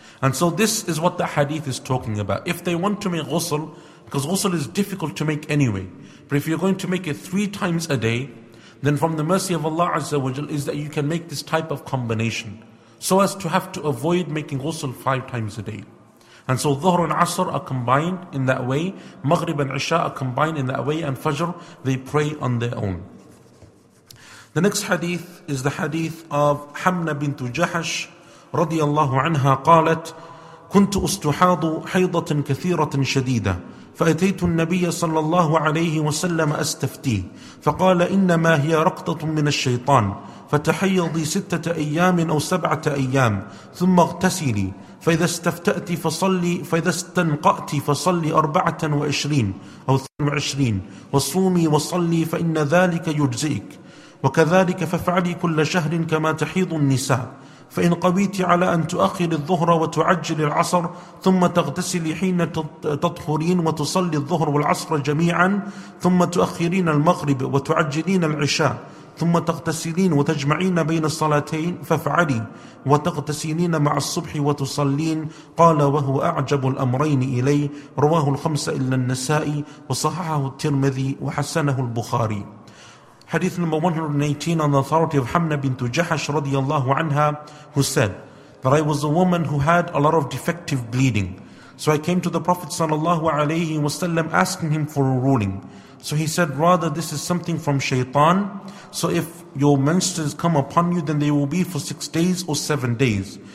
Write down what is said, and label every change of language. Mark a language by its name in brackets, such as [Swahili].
[English] And so this is what the hadith is talking about. If they want to make ghusl, because ghusl is difficult to make anyway, but if you're going to make it three times a day, then from the mercy of Allah Azza wa Jal is that you can make this type of combination, so as to have to avoid making ghusl five times a day. And so dhuhr and asr are combined in that way, maghrib and isha are combined in that way, and fajr, they pray on their own. The next hadith is the hadith of Hamna bint Jahash radiyallahu [Arabic] anha qalat, kuntu ustuhadu haydatan kathiratan shadida, فأتيت النبي صلى الله عليه وسلم أستفتيه فقال إنما هي رقطة من الشيطان فتحيضي ستة أيام أو سبعة أيام ثم اغتسلي فإذا استفتأت فصلي فإذا استنقأت فصلي 24 أو 22 وصومي وصلي فإن ذلك يجزئك وكذلك فافعلي كل شهر كما تحيض النساء فإن قويت على أن تؤخر الظهر وتعجل العصر ثم تغتسل حين تطهرين وتصلي الظهر والعصر جميعا ثم تؤخرين المغرب وتعجلين العشاء ثم تغتسلين وتجمعين بين الصلاتين فافعلي وتغتسلين مع الصبح وتصلين قال وهو أعجب الأمرين إلي رواه الخمسة إلا النسائي وصححه الترمذي وحسنه البخاري. [English] Hadith number 118 on the authority of Hamna bint Jahash radiyallahu anha, who said that I was a woman who had a lot of defective bleeding. So I came to the Prophet sallallahu alayhi wasallam asking him for a ruling. So he said, rather this is something from shaitan. So if your menstruals come upon you, then they will be for 6 days or 7 days.